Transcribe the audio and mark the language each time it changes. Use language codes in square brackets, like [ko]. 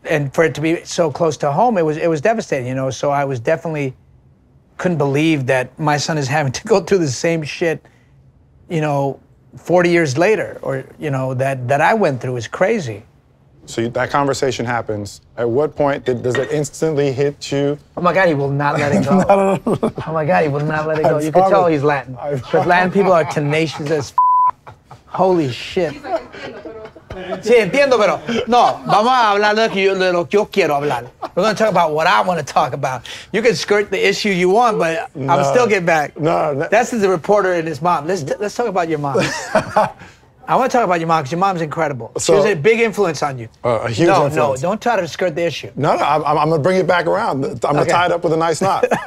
[en] And for it to be so close to home, it was devastating, you know? So I was definitely, couldn't believe that my son is having to go through the same shit, you know, 40 years later, or, you know, that I went through is crazy. So that conversation happens. At what point does it instantly hit you? Oh my God, he will not let it go. Oh my God, he will not let it go. I you promise. Can tell he's Latin. But Latin people are tenacious as f***. Holy shit. [es] Sí, entiendo, pero no, vamos a hablar de lo que yo quiero hablar. [en] We're going to talk about what I want to talk about. You can skirt the issue you want, but no. I'm still getting back. No. That's the reporter and his mom. Let's talk about your mom. I want to talk about your mom because your mom's incredible. So, she was a big influence on you. A huge influence. No, don't try to skirt the issue. No, I'm going to bring it back around. I'm going to tie it up with a nice knot.